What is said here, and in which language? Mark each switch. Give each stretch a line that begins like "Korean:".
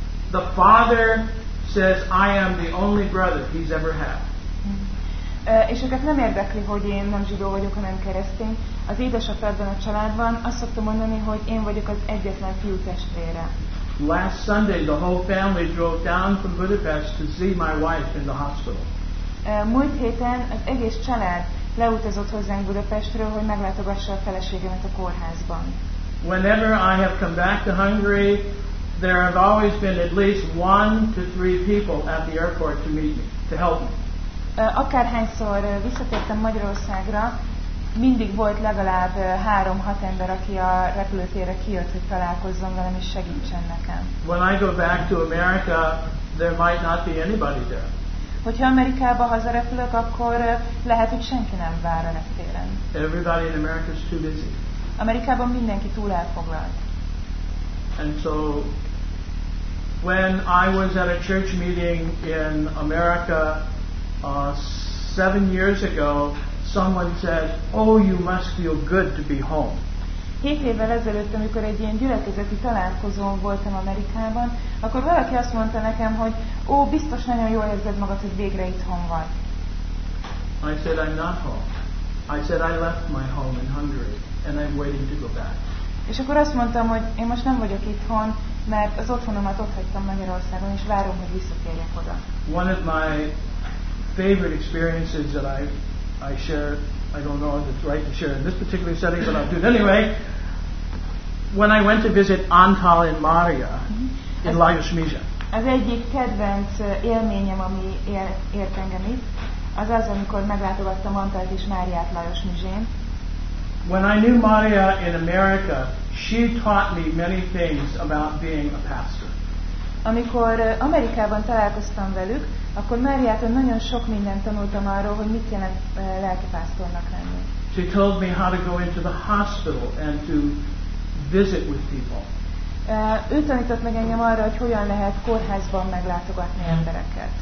English: The father says, "I am the only brother he's ever had."
Hungarian: És őket nem érdekli, hogy én nem zsidó vagyok, hanem keresztény. Az édesapádban a családban azt szoktam mondani, hogy én vagyok az egyetlen fiú testvére.
English: Last Sunday, the whole family drove down from Budapest to see my wife in the hospital.
Hungarian: Múlt héten az egész család leutazott hozzánk Budapestről, hogy meglátogassa a feleségemet a kórházban.
English: Whenever I have come back to Hungary, there have always been at least one to three people at the airport to meet me, to help me.
Hungarian: Akárhányszor visszatértem Magyarországra, mindig volt legalább 3-6 ember, aki a repülőtérre kijött, hogy találkozzon velem és segítsen nekem.
English: When I go back to America, there might not be anybody there.
Hungarian: Hogyha Amerikába hazarepülök, akkor lehet, hogy senki nem vár a reptéren.
English: Everybody in America is too busy.
Hungarian: Amerikában mindenki túl elfoglalt.
English: And so when I was at a church meeting in America 7 years ago, someone said, "Oh, you must feel good to be home."
Hungarian: 7 évvel ezelőtt, amikor egy ilyen gyülekezeti találkozón voltam Amerikában, akkor valaki azt mondta nekem, hogy ó, biztos nagyon jól érzed magad, hogy végre itthon vagy.
English: I said, "I'm not home. I said, I left my home in Hungary. And I'm waiting to go back."
Hungarian: És akkor azt mondtam, hogy én most nem vagyok itthon, mert az otthonomat ott hagytam Magyarországon, és várom, hogy visszatérjek oda.
English: One of my favorite experiences that I share, I don't know if it's right to share in this particular setting, but I'll do it anyway. When I went to visit Antal and Maria in Lajosmezsa.
Hungarian: Az egyik kedvenc élményem, ami ért engem itt, az az, amikor meglátogattam Antalt és Máriát Lajosmezsén.
English: When I knew Maria in America, she taught me many things about being a pastor.
Hungarian: Amikor Amerikában találkoztam velük, akkor Máriától nagyon sok mindent tanultam arról, hogy mit jelent lelkipásztornak lenni.
English: She told me how to go into the hospital and to visit with people.
Hungarian: Ő tanított meg engem arra, hogy hogyan lehet kórházban meglátogatni embereket.